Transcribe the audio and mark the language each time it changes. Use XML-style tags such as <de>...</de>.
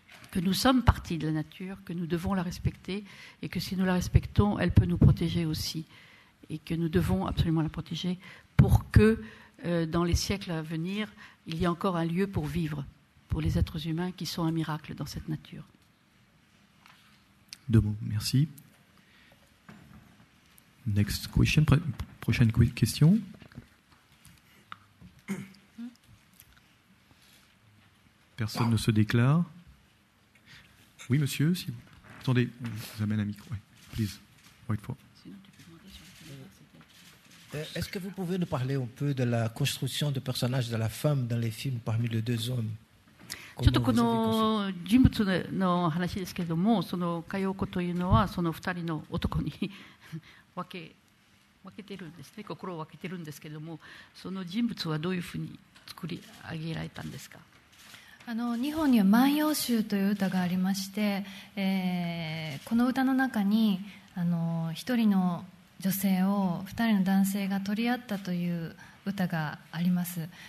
<fr>que nous sommes partie de la nature, que nous devons la respecter, et que si nous la respectons, elle peut nous protéger aussi, et que nous devons absolument la protéger pour que, dans les siècles à venir, il y ait encore un lieu pour vivre, pour les êtres humains qui sont un miracle dans cette nature. De bon, merci.</fr> <en>Next question,</en> <fr>prochaine question. Personne ne se déclare. Oui, monsieur, si vous... Attendez, on vous amène un micro. Oui,</fr> <en>please, wait for.</en> <fr>Est-ce que vous pouvez nous parler un peu de la construction de personnages de la femme dans les films parmi les deux hommes ?</fr> <ja>ちょっとこの人物の話ですけれども、そのカヨコというのはその二人の男に分けてるんですね、心を分けてるんですけれども、その人物はどういうふうに作り上げられたんですか。あの日本には万葉集という歌がありまして、この歌の中にあの一人の女性を二人の男性が取り合ったという歌があります。</ja>